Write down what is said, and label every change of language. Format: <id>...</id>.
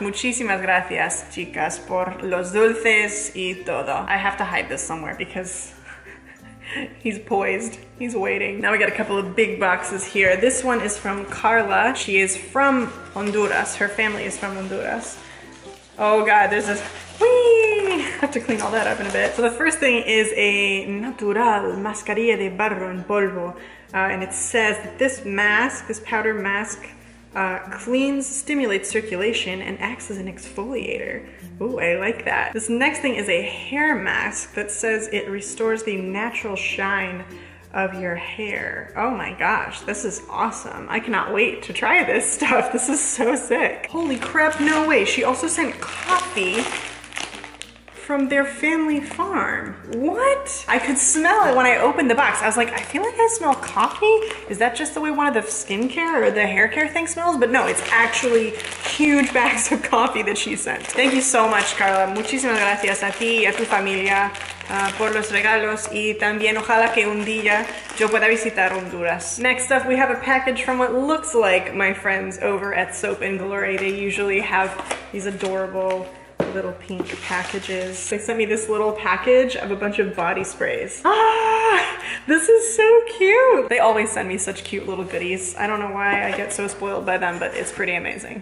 <es>Muchísimas gracias, chicas, por los dulces y todo.</es> <en>I have to hide this somewhere because he's poised. He's waiting. Now we got a couple of big boxes here. This one is from Carla. She is from Honduras. Her family is from Honduras. Oh God, there's this. Whee! I have to clean all that up in a bit. So the first thing is a natural</en> <es>mascarilla de barro en polvo.</es> <en>And it says that this mask, this powder mask, cleans, stimulates circulation, and acts as an exfoliator. Ooh, I like that. This next thing is a hair mask that says it restores the natural shine of your hair. Oh my gosh, this is awesome. I cannot wait to try this stuff. This is so sick. Holy crap, no way. She also sent coffee from their family farm. What? I could smell it when I opened the box. I was like, I feel like I smell coffee. Is that just the way one of the skincare or the hair care thing smells? But no, it's actually huge bags of coffee that she sent. Thank you so much, Carla.</en> <es>Muchísimas gracias a ti y a tu familia por los regalos y también ojalá que un día yo pueda visitar Honduras.</es> <en>Next up, we have a package from what looks like my friends over at Soap and Glory. They usually have these adorable little pink packages. They sent me this little package of a bunch of body sprays. Ah, this is so cute. They always send me such cute little goodies. I don't know why I get so spoiled by them, but it's pretty amazing.</en>